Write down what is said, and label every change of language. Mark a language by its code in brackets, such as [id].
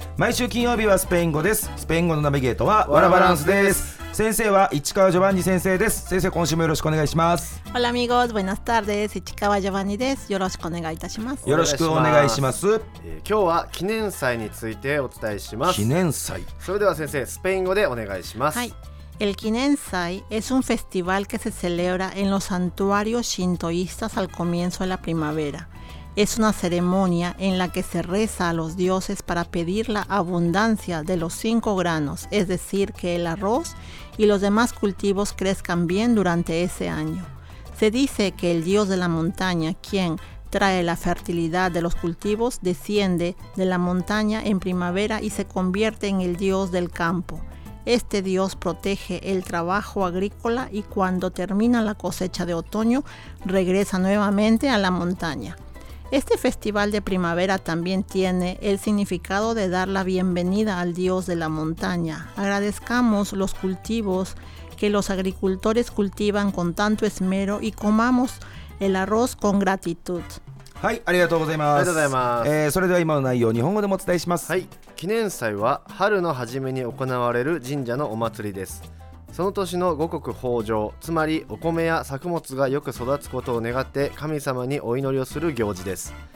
[ja] 毎週金曜日はスペイン語です。スペイン語のナビゲートはワラバランスです。先生は市川ジョバンニ先生です。先生、今週もよろしくお願いします。 [es] ホラミゴーズ、ブイナスター [ja] です。市川ジョバンニです。よろしくお願いいたします。よろしくお願いします。今日は記念祭についてお伝えします。記念祭、それでは先生、スペイン語でお願いします。はい。 [es] El Quinensai es un festival que se celebra en los santuarios shintoístas al comienzo de la primavera. Es una ceremonia en la que se reza a los dioses para pedir la abundancia de los cinco granos, es decir, que el arroz y los demás cultivos crezcan bien durante ese año. Se dice que el dios de la montaña, quien trae la fertilidad de los cultivos, desciende de la montaña en primavera y se convierte en el dios del campo. Este dios protege el trabajo agrícola y cuando termina la cosecha de otoño, regresa nuevamente a la montaña. Este festival de primavera también tiene el significado de dar la bienvenida al dios de la montaña. Agradezcamos los cultivos que los agricultores cultivan con tanto esmero y comamos el arroz con gratitud. [ja] はい、ありがとうございます。ありがとうございます。それでは今の内容を日本語でもお伝えします。はい。記念祭は春の初めに行われる神社のお祭りです。その年の五穀豊穣、つまりお米や作物がよく育つことを願って神様にお祈りをする行事です。